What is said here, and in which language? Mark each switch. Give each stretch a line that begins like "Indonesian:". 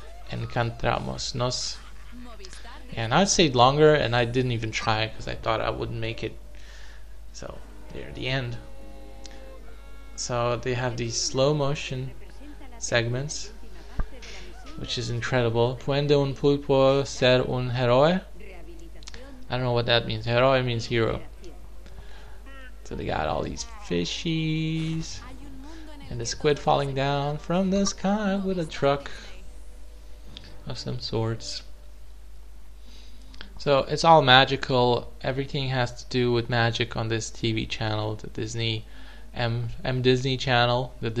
Spanish: Encontramos nos.
English: And I stayed longer, and I didn't even try because I thought I wouldn't make it. So, there, the end. So, they have these slow motion segments, which is incredible.
Spanish: ¿Puede un pulpo ser un héroe?
English: I don't know what that means. Héroe means hero. So they got all these fishies and the squid falling down from the sky with a truck of some sorts. So it's all magical. Everything has to do with magic on this TV channel, the Disney Disney Channel.